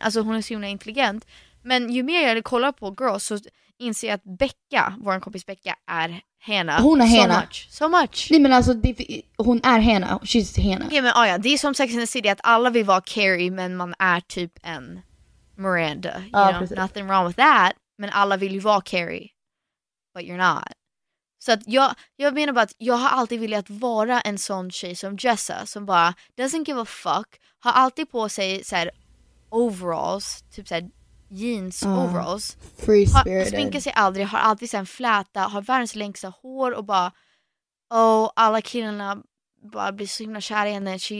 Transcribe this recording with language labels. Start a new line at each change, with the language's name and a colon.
Swedish: Alltså hon är så himla intelligent. Men ju mer jag kollar på girls så... inser att Becka, vår kompis Becka, är Hena. Hon är
English: so Hena. So much.
Swedish: Nej, men alltså, hon är Hena.
English: She's Hena.
Swedish: Okay, men, ja, det är som Sex and the City, att alla vill vara Carrie, men man är typ en Miranda.
English: You know? Nothing wrong with that.
Swedish: Men alla vill ju vara Carrie.
English: But you're not.
Swedish: Så att jag menar bara att jag har alltid velat vara en sån tjej som Jessa, som bara
English: doesn't give a fuck,
Swedish: har alltid på sig såhär overalls, typ såhär jeans overalls, sminkar sig aldrig, har alltid såhär fläta, har världens längsta hår och bara oh, alla killarna bara blir så himla kär i henne.